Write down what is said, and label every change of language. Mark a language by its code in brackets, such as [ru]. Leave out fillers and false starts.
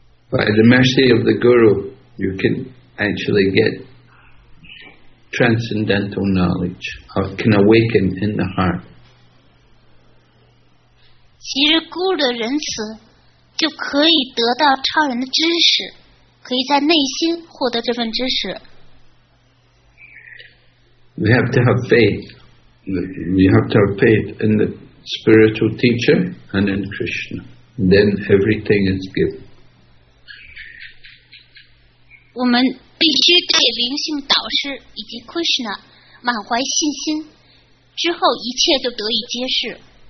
[en] by the mercy of the Guru, you can actually get transcendental knowledge, or can awaken in the heart. [zh] 即使Guru的仁慈。就可以得到超人的知识，可以在内心获得这份知识。 [en] We have to have faith in the spiritual teacher and in Krishna. Then everything is given. [zh] 我们必须对灵性导师以及 Krishna 满怀信心，之后一切都得以揭示。